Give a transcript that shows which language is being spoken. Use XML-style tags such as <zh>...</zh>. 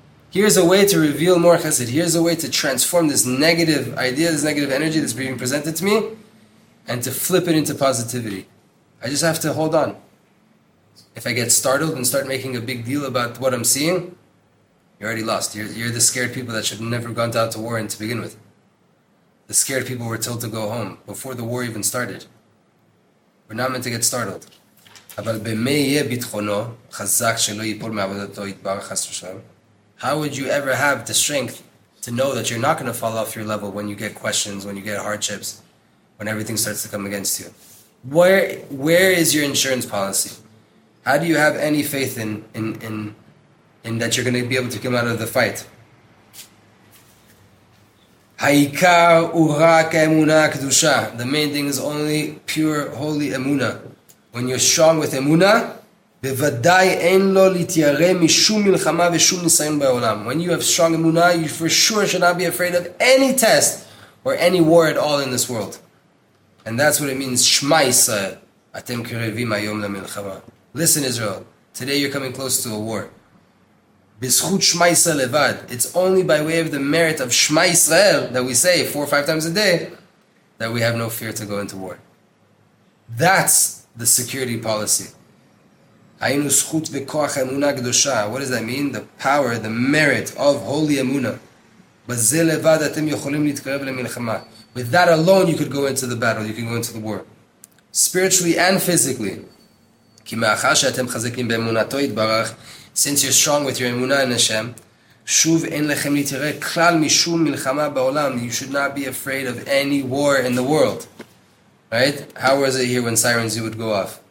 <en>Here's a way to reveal more chesed. Here's a way to transform this negative idea, this negative energy that's being presented to me, and to flip it into positivity. I just have to hold on. If I get startled and start making a big deal about what I'm seeing, you're already lost. You're the scared people that should have never gone out to war in to begin with. The scared people were told to go home before the war even started. We're not meant to get startled.</en> <he>אבל במי יהיה ביטחונו, חזק שלא ייפול מעבודתו יתברך חס ושלום.</he> <en>How would you ever have the strength to know that you're not going to fall off your level when you get questions, when you get hardships, when everything starts to come against you? Where is your insurance policy? How do you have any faith in that you're going to be able to come out of the fight?</en> <he>Ha'ikar urak emuna kedusha.</he> <en>The main thing is only pure, holy emuna. When you're strong with emuna,</en> <he>בוודאי אין לו להתיירא משום מלחמה ושום ניסיון בעולם.</he> <en>When you have strong emunah, you for sure should not be afraid of any test or any war at all in this world. And that's what it means,</en> <he>שמה ישראל, אתם קרבים היום למלחמה.</he> <en>Listen Israel, today you're coming close to a war.</en> <he>בזכות שמה ישראל לבד,</he> <en>it's only by way of the merit of שמה ישראל that we say 4 or 5 times a day that we have no fear to go into war. That's the security policy.</en> <he>היינו זכות וכוח אמונה קדושה.</he> <en>What does that mean? The power, the merit of holy אמונה.</en> <he>בזה לבד אתם יכולים להתקרב למלחמה.</he> <en>With that alone you could go into the battle, you can go into the war. Spiritually and physically.</en> <he>כי מאחר שאתם חזקים באמונתו יתברך,</he> <en>since you're strong with your אמונה in Hashem,</en> <he>שוב אין לכם להתראה כלל משום מלחמה בעולם.</he> <en>You should not be afraid of any war in the world. Right? How was it here when sirens would go off?</en>